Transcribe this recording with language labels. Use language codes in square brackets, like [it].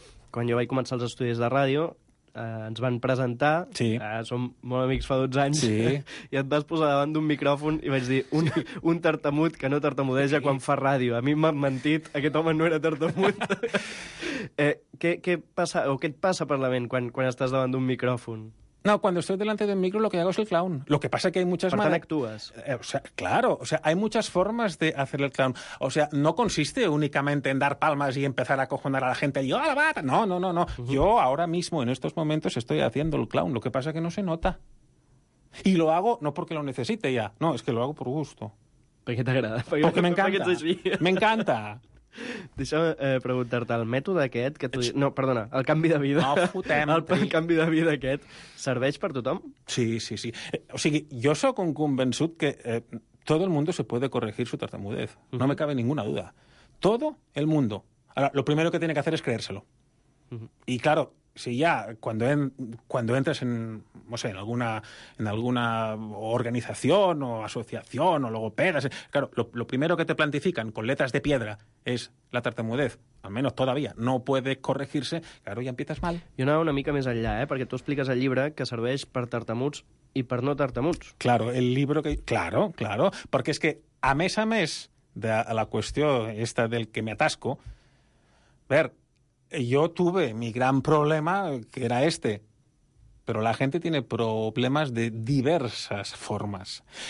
[ca] Quan jo vaig començar els estudis de ràdio, ens van presentar, sí. Som molt amics fa 12 anys, sí. I et vas posar davant d'un micròfon i vaig dir un tartamut que no tartamudeja, sí. Quan fa ràdio. A mi m'han mentit, aquest home no era tartamut. què passa, o què et passa per la ment quan estàs davant d'un micròfon? [es] No, cuando estoy delante de un micro lo que hago es el clown. Lo que pasa es que hay muchas maneras... ¿Por qué actúas? O sea, hay muchas formas de hacer el clown. O sea, no consiste únicamente en dar palmas y empezar a acojonar a la gente. Y, ¡oh, la bata! No. Uh-huh. Yo ahora mismo, en estos momentos, estoy haciendo el clown. Lo que pasa es que no se nota. Y lo hago no porque lo necesite ya. No, es que lo hago por gusto. ¿Por qué te agrada? Porque me encanta. Me encanta. [ca] Deixa'm preguntar-te, el mètode aquest... Que tu... No, perdona, el canvi de vida... No, fotem-te. El canvi de vida aquest serveix per tothom? Sí. O sigui, jo sóc un convençut que [es] todo el mundo se puede corregir su tartamudez. Uh-huh. No me cabe ninguna duda. Todo el mundo. Ahora, lo primero que tiene que hacer es creérselo. Uh-huh. Y claro, si ya cuando entras en, no sé, en alguna organización o asociación o logopedas, claro, lo primero que te plantifican con letras de piedra es la tartamudez, al menos todavía, no puede corregirse, claro, ya empiezas mal. Yo no, [ca] una mica més enllà, perquè tu expliques al llibre que serveix per tartamuts i per no tartamuts. [es] Claro, el libro que... Claro, porque es que a mes de la cuestión esta del que me atasco, yo tuve mi gran problema, que era este. Pero la gente tiene problemas de diversas formas.